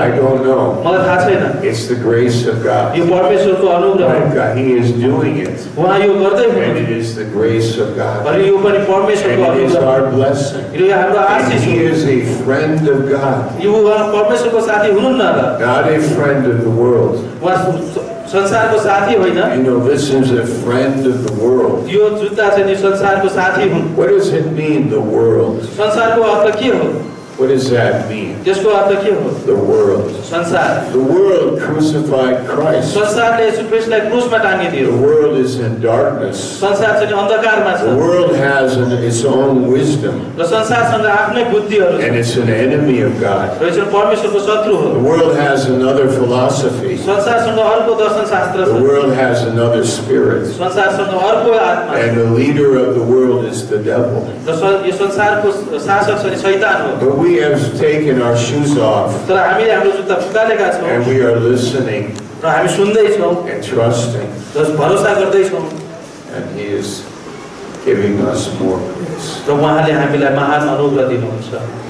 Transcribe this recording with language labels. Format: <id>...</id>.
<en>I don't know.</en> <ne>मलाई थाहा छैन.</ne> <en>It's the grace of God.</en> <ne>यो परमेश्वरको अनुग्रह हो.</ne> <en>He is doing it.</en> <ne>उहाँ यो गर्दै हुनुहुन्छ.</ne> <en>It is the grace of God.</en> <ne>अनि यो पनि परमेश्वरको अनुग्रह.</ne> <en>It is our blessing.</en> <ne>यो हाम्रो आशिष हो.</ne> <en>He is a friend of God.</en> <ne>यो परमेश्वरको साथी हुनुहुन्न र.</ne> <en>God is friend of the world.</en> <ne>संसारको साथी होइन.</ne> <en>You know, this is a friend of the world.</en> <ne>यो जुत्ता चाहिँ नि संसारको साथी हुन्.</ne> <en>What does it mean, the world?</en> <ne>संसारको अर्थ के हो?</ne> <en>What does that mean?</en> <ne>त्यसको अर्थ के हो?</ne> <en>The world.</en> <ne>संसार.</ne> <en>The world crucified Christ.</en> <ne>संसारले Yeshu ख्रीष्टलाई क्रूसमा टाङ्गिदियो.</ne> <en>The world is in darkness.</en> <ne>संसार चाहिँ अन्धकारमा छ.</ne> <en>The world has its own wisdom.</en> <ne>र संसारसँग आफ्नै बुद्धिहरू छ.</ne> <en>And it's an enemy of God.</en> <ne>र यो परमेश्वरको शत्रु हो.</ne> <en>The world has another philosophy.</en> <ne>संसारसँग अर्को दर्शनशास्त्र छ.</ne> <en>The world has another spirit.</en> <ne>संसारसँग अर्को आत्मा.</ne> <en>And the leader of the world is the devil.</en> <ne>र यो संसारको शासक चाहिँ शैतान हो.</ne> <en>We have taken our shoes off.</en> <ne>तर हामीले हाम्रो जुत्ता फुकालेका छौँ.</ne> <en>And we are listening.</en> <ne>र हामी सुन्दै छौँ.</ne> <en>And trusting.</en> <ne>र भरोसा गर्दै छौँ.</ne> <en>And he is giving us more grace.</en> <ne>र उहाँले हामीलाई महान अनुग्रह दिनुहुन्छ.</ne>